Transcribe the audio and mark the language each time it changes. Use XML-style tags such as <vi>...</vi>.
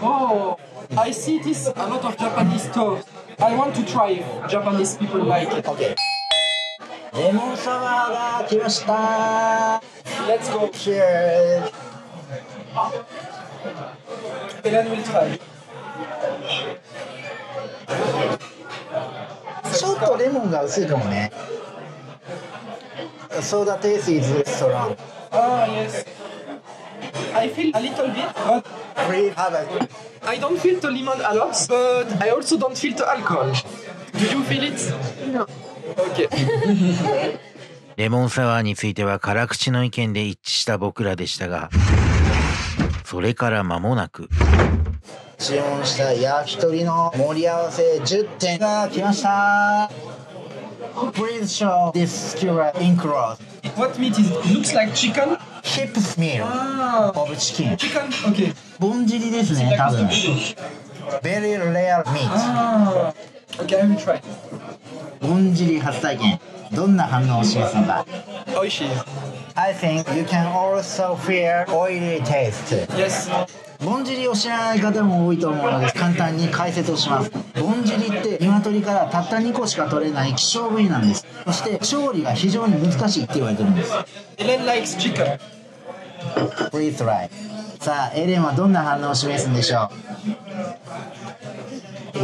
<en>Oh, I see this a lot of Japanese toast. I want to try if Japanese people like it. Okay.</en> <ja>レモンサワーが来ました。</ja> <en>Let's go. Cheers. Eren will try.</en> <ja>ちょっとレモンが薄いかもね。</ja> <en>Soda taste is strong. Ah, yes. I feel a little bit, but we have it. I don't feel to lemon a lot, but I also don't feel to alcohol. Do you feel it? No. Okay.</en> <ja>レモンサワーについては辛口の意見で一致した僕らでしたが、それから間もなく注文した焼き鳥の盛り合わせ10点が来ました。</ja> <en>Please show this skewer in cross. What meat is? Looks like chicken. Hip meal. Ah. Of chicken. Chicken. Okay.</en> <ja>ボンジリですね。多分。</ja> <en>Very rare meat. Ah. Okay, let me try.</en> <ja>ボンジリ初体験、どんな反応を示すのか。おいしい。</ja> <en>I think you can also feel oily taste. Yes.</en> <ja>ボンジリを知らない方も多いと思うので簡単に解説をします。ボンジリって鶏からたった2個しか取れない希少部位なんです。そして調理が非常に難しいって言われてるんです。</ja> <en>Eren likes chicken. Please try.</en> <ja>さあ、エレンはどんな反応を示すんでしょう。</ja>